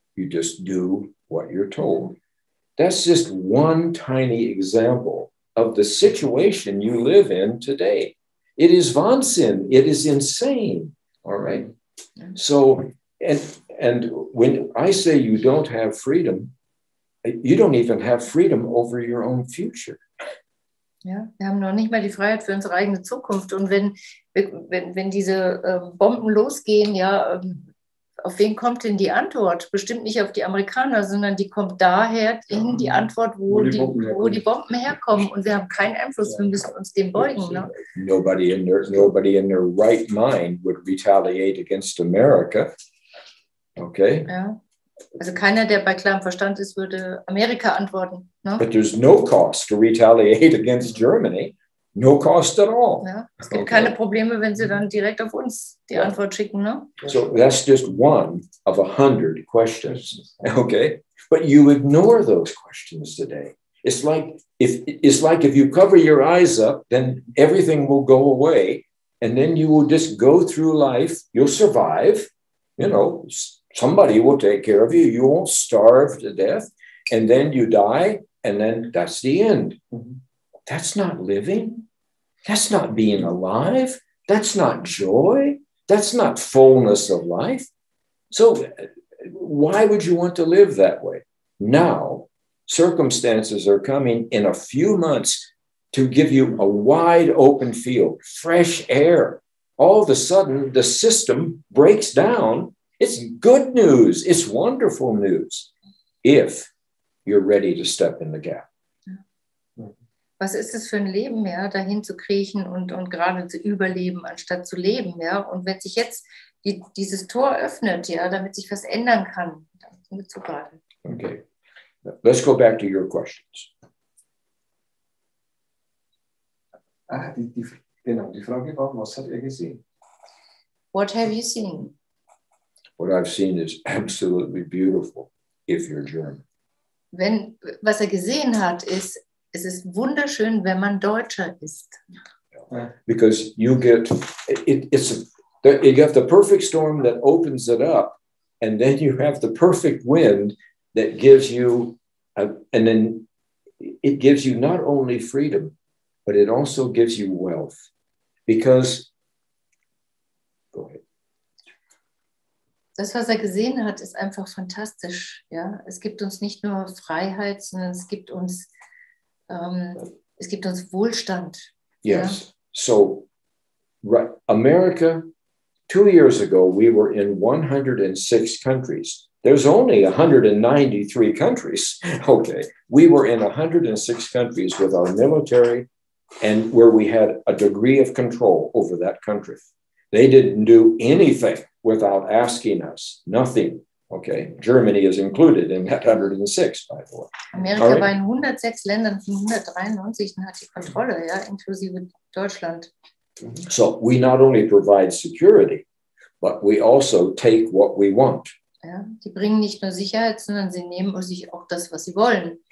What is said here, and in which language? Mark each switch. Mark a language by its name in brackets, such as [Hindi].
[English] You just do what you're told. That's just one tiny example of the situation you live in today. It is Wahnsinn. It is insane. All right. So, and when I say you don't have freedom, you don't even have freedom over your own future. [German] Ja, wir haben noch nicht mal die Freiheit für unsere eigene Zukunft. Und wenn diese Bomben losgehen, ja, auf wen kommt denn die Antwort? Bestimmt nicht auf die Amerikaner, sondern die kommt daher in die Antwort, wo die Bomben herkommen. Und wir haben keinen Einfluss, wir müssen uns dem beugen. Ne? [English] Nobody in their right mind would retaliate against America. Okay. [German] Ja. Also keiner, der bei klarem Verstand ist, würde Amerika antworten. Ne? [English] But there's no cost to retaliate against Germany. No cost at all. [German] Ja, es gibt okay. keine Probleme, wenn sie dann direkt auf uns die yeah. Antwort schicken, ne? [English] So that's just one of 100 questions, okay? But you ignore those questions today. It's like if you cover your eyes up, then everything will go away, and then you will just go through life. You'll survive, you know. Somebody will take care of you. You won't starve to death, and then you die, and then that's the end. Mm-hmm. That's not living. That's not being alive. That's not joy. That's not fullness of life. So why would you want to live that way? Now, circumstances are coming in a few months to give you a wide open field, fresh air. All of a sudden, the system breaks down. It's good news. It's wonderful news if you're ready to step in the gap. [German] Was ist es für ein Leben, ja, dahin zu kriechen und gerade zu überleben, anstatt zu leben, ja? Und wenn sich jetzt dieses Tor öffnet, ja, damit sich was ändern kann, dann sind wir zu warten. [English] Okay. Let's go back to your questions. [German] Ah, die Frage war, was hat er gesehen? [English] What have you seen? What I've seen is absolutely beautiful, if you're German. [German] Wenn, was er gesehen hat, ist, es ist wunderschön, wenn man Deutscher ist. [English] Because you get, you have the perfect storm that opens it up, and then you have the perfect wind that gives you, and then it gives you not only freedom, but it also gives you wealth. Because, go ahead. [German] Das, was er gesehen hat, ist einfach fantastisch. Ja? Es gibt uns nicht nur Freiheit, sondern es gibt uns es gibt uns Wohlstand. [English] Yes. [German] Ja? [English] So, right, America, 2 years ago, we were in 106 countries. There's only 193 countries. Okay. We were in 106 countries with our military and where we had a degree of control over that country. They didn't do anything without asking us. Nothing. Okay, Germany is included in that 106, by the way. [German] Amerika right. war in 106 Ländern von 193 und hat die Kontrolle, ja, inklusive Deutschland. [English] So we not only provide security, but we also take what we want. [German] Ja, die bringen nicht nur Sicherheit, sondern sie nehmen sich auch das, was sie wollen.